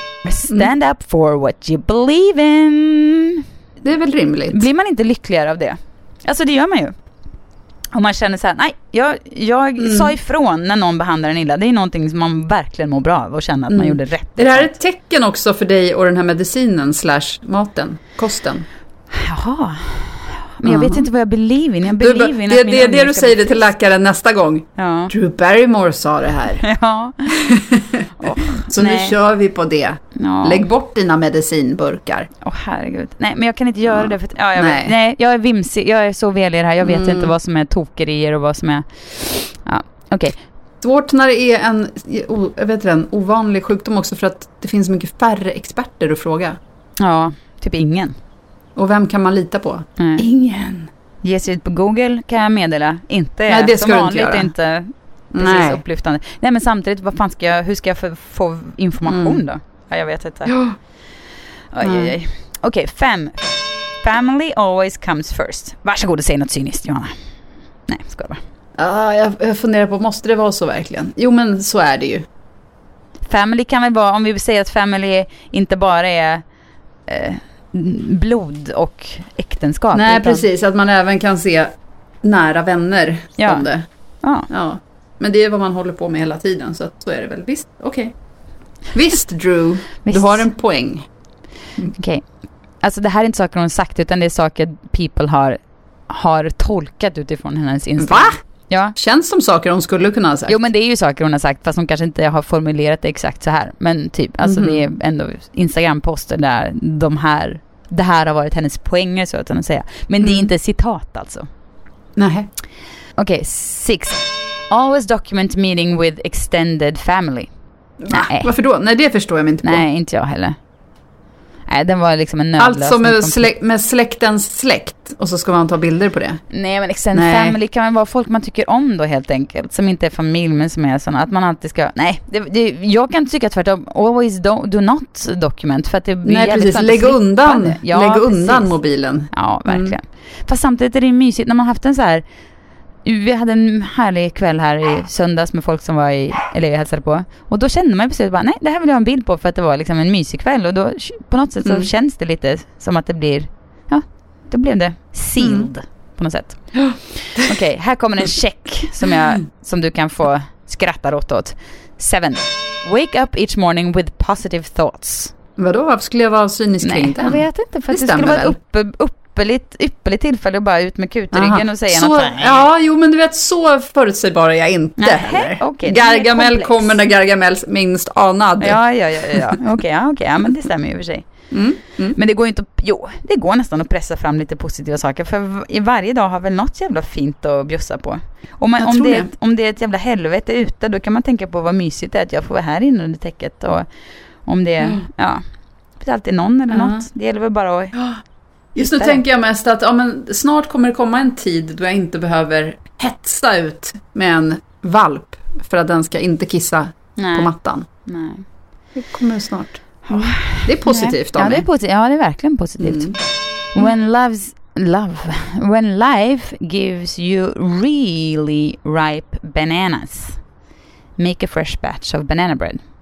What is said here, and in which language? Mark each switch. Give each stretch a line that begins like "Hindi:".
English: Stand up for what you believe in.
Swedish: Det är väl rimligt. Blir man inte lyckligare av det? Alltså det gör man ju. Om man känner så här, nej, jag sa ifrån när någon behandlar en illa. Det är någonting som man verkligen mår bra av och känner att man gjorde rätt. Är det här ett tecken också för dig och den här medicinen / maten, kosten? Jaha. Men jag vet inte vad jag
English: believe in.
Swedish: Det är det du säger till läkaren nästa gång. Ja. Drew Barrymore sa det här. Ja. Så nu kör vi på det. Ja. Lägg bort dina medicinburkar. Åh, herregud. Nej, men jag kan inte göra det. För att, nej, jag är vimsig. Jag är så väl i det här. Jag vet inte vad som är tokerier och vad som är... Ja. Okej. Okay. Svårt när det är en ovanlig sjukdom också för att det finns mycket färre experter att fråga. Ja, typ ingen. Och vem kan man lita på? Mm. Ingen. Ge sig ut på Google kan jag meddela. Inte nej, det ska som du vanligt, inte göra. Inte precis nej. Upplyftande. Nej, men samtidigt, vad fan ska jag, hur ska jag få information då? Ja, jag vet inte. Ja. Okej, fem.
English: Family always comes first.
Swedish: Varsågod och säg något cyniskt, Johanna. Nej, ska det vara. Jag funderar på, måste det vara så verkligen? Jo, men så är det ju. Family kan väl vara, om vi vill säga att family inte bara är... blod och äktenskap. Nej, utan... precis. Att man även kan se nära vänner om det. Ja. Ja. Men det är vad man håller på med hela tiden. Så att då är det väl visst. Okej. Okay. Visst, Drew. Visst. Du har en poäng. Okej. Okay. Alltså det här är inte saker hon sagt, utan det är saker people har tolkat utifrån hennes inställning. Va? Ja. Känns som saker hon skulle kunna ha sagt. Jo, men det är ju saker hon har sagt, fast hon kanske inte har formulerat det exakt så här. Men typ, alltså det är ändå Instagram-poster där de här, det här har varit hennes poänger, så att säga. Men det är inte citat alltså. Nej. Okej, six.
English: Always document meeting with extended family.
Swedish: Nej. Varför då? Nej, det förstår jag inte på. Nej, inte jag heller. Nej, den var liksom en nödlösning. Allt som är med släktens släkt. Och så ska man ta bilder på det. Nej, men
English: extended family
Swedish: kan väl vara folk man tycker om då helt enkelt. Som inte är familj, men som är sådana. Att man alltid ska... Nej, det, jag kan tycka tvärtom.
English: Always do not document.
Swedish: För att det blir precis. Lägg undan. Ja, lägg undan mobilen. Ja, verkligen. Mm. Fast samtidigt är det mysigt. När man haft en så här... Vi hade en härlig kväll här i söndags med folk som var i eller jag hälsade på. Och då kände man precis bara, nej, det här vill jag ha en bild på för att det var liksom en mysig kväll. Och då på något sätt så känns det lite som att det blir, ja, då blev det sealed på något sätt. Okej, okay, här kommer en check som du kan få skratta åt.
English: Seven. Wake up each morning with positive thoughts.
Swedish: Vadå, varför skulle jag vara cynisk? Nej, jag vet inte, för det skulle vara upp ypperligt tillfälle att bara ut med kutryggen och säga så, något. Ja, jo, men du vet, så förutsägbar är jag inte. Nähe, okay, Gargamel kommer när Gargamel minst anad. Ja. Okej, men det stämmer ju för sig. Men det går ju inte att, jo, det går nästan att pressa fram lite positiva saker, för varje dag har väl något jävla fint att bjussa på. Om det är ett jävla helvete ute, då kan man tänka på vad mysigt det är att jag får vara här inne under täcket. Och om det är, det är alltid någon eller något. Det gäller väl bara att... Just nu tänker jag mest att snart kommer det komma en tid då jag inte behöver hetsa ut med en valp för att den ska inte kissa på mattan. Nej. Det kommer snart. Det är positivt. Ja, det är verkligen positivt. Mm.
English: When life gives you really ripe bananas, make a fresh batch of banana bread.